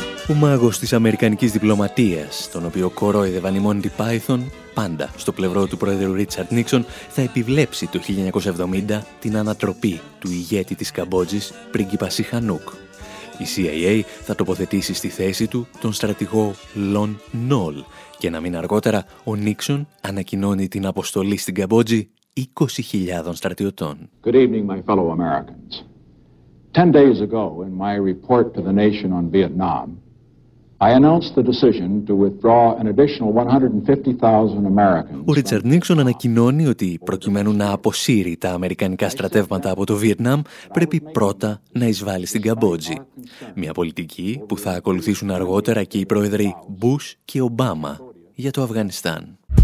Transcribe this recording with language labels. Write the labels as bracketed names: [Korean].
[Greek] Ο μάγος της Αμερικανικής διπλωματίας, τον οποίο κορόιδευαν οι Monty Python, πάντα στο πλευρό του πρόεδρου Ρίτσαρντ Νίξον, θα επιβλέψει το 1970 την ανατροπή του ηγέτη της Καμπότζης, πρίγκιπα Σιχανούκ. Η CIA θα τοποθετήσει στη θέση του τον στρατηγό Λον Νόλ και να μην αργότερα ο Νίξον ανακοινώνει την αποστολή στην Καμπότζη 20.000 στρατιωτών. [English] Good evening, my fellow Americans. 10 days ago, in my report to the nation on Vietnam, I announced the decision to withdraw an additional 150,000 Americans. [Greek] Ο Ρίτσαρντ Νίξον ανακοινώνει ότι προκειμένου να αποσύρει τα αμερικανικά στρατεύματα από το Βιετνάμ, πρέπει πρώτα να εισβάλλει στην Καμπότζη. Μια πολιτική που θα ακολουθήσουν αργότερα και οι πρόεδροι Bush και Obama για το Αφγανιστάν.